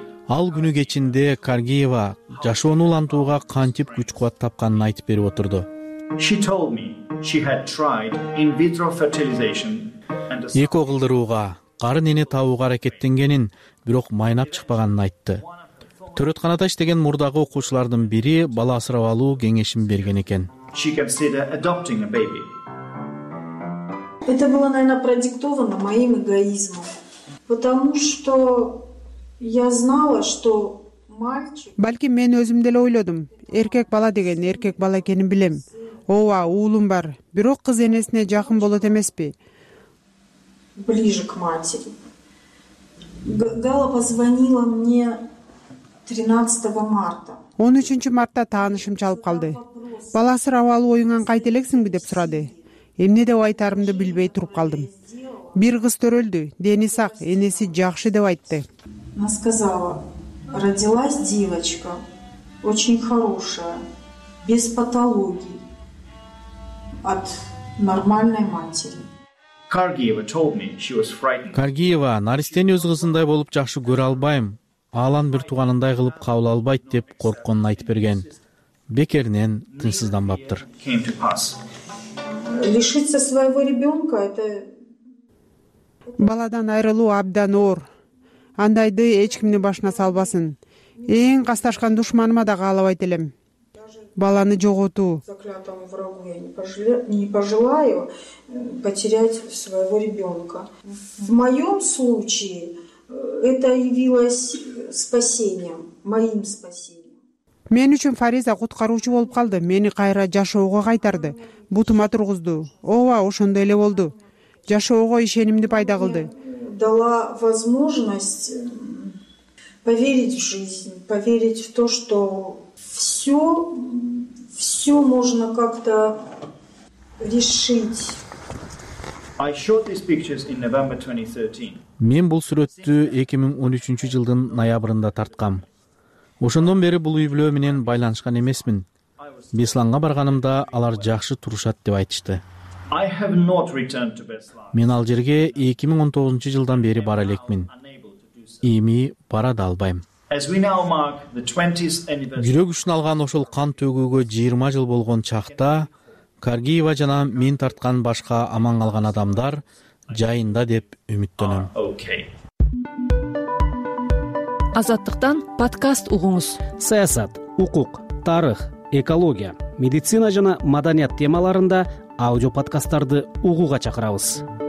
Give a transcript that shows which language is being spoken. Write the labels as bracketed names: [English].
[Kyrgyz] Ал күнү кечинде Каргиева жашоону улантууга кантип күч кубат тапканын айтып берип отурду. Эко кылдырууга, карын эне табууга аракеттенгенин, бирок майнап чыкпаганын айтты. Төрөтканада иштеген мурдагы окуучулардын бири бала асырап алуу кеңешин берген экен. [Russian] Это было, наверное, продиктовано моим эгоизмом. Потому что я знала, что мальчик. [Kyrgyz] Балким мен өзүм деле ойлодум. Эркек бала деген эркек бала экенин билем. Ооба, уулум бар. Бирок кыз энесине жакын болот эмеспи? [Russian] Ближе к матери. Гала позвонила мне 13 марта. [Kyrgyz] 13 мартта таанышым чалып калды. Бала асырап алуу оюнан кайта элексиңби деп сурады. Эмне деп айтарымды билбей туруп калдым. Бир кыз төрөлдү, дени сак, энеси жакшы деп айтты. [Russian] Она сказала: "Родилась девочка, очень хорошая, без патологий, от нормальной матери". [English] Каргиева told me she was frightened. [Kyrgyz] Каргиева наристени өз кызындай болуп жакшы көрө албайм. Алан бир туугандай кылып кабыл албайт деп коркконун айтып берген. Бекеринен тынсызданбаптыр. [Russian] Лишиться своего ребёнка это [Kyrgyz] баладан айрылуу абдан оор. Андайды эч кимдин башына салбасын. Эң касташкан душманыма да каалабайт элем. Баланы жоготуу. [Russian] Заклятому врагу я не пожелаю потерять своего ребёнка. В моём случае это явилось спасением, моим спасением. [Kyrgyz] Мен үчүн Фариза куткаруучу болуп калды, мени кайра жашоого кайтарды, бутума тургузду. Ооба, ошондой эле болду. Жашоого ишенимди пайда кылды. [Russian] Дала возможность поверить в жизнь, поверить в то, что всё можно как-то решить. [English] I shot these pictures in November 2013. [Kyrgyz] Мен бул сүрөттү 2013 жылдын ноябрында тарткам. Ошондон бери бул үй бүлө менен байланышкан эмесмин. Бесланга барганымда алар жакшы турушат деп айтышты. [English] I have not returned to Beslan. [Kyrgyz] Мен ал жерге 2019 жылдан бери бара элекмин. Эми бара да албайм. [English] As we now mark the 20th anniversary. [Kyrgyz] Жүрөк үчүн алган ошол кан төгүүгө 20 жыл болгон чакта Каргиева жана мен тарткан башка аман калган адамдар жайында деп үмүттөнөм. Азаттыктан подкаст угуңуз. Саясат, укук, тарых, экология, медицина жана маданият темаларында аудиоподкасттарды угууга чакырабыз.